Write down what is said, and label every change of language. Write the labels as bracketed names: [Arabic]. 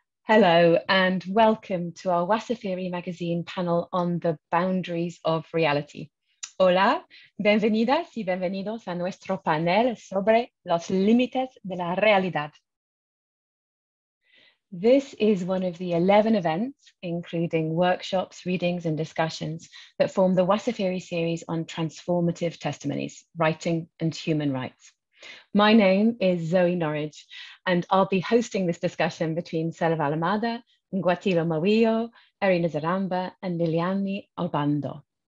[English] Hello and welcome to our Wasser Theory magazine panel on the boundaries of reality. [Spanish] Hola, bienvenidas y bienvenidos a nuestro panel sobre los límites de la realidad. [English] This is one of the 11 events, including workshops, readings, and discussions that form the Wasser Theory series on transformative testimonies, writing, and human rights. My name is Zoe Norridge, and I'll be hosting this discussion between Selva Almada, Ngwatilo Mawio, Erina Zaramba, and Liliani Obando.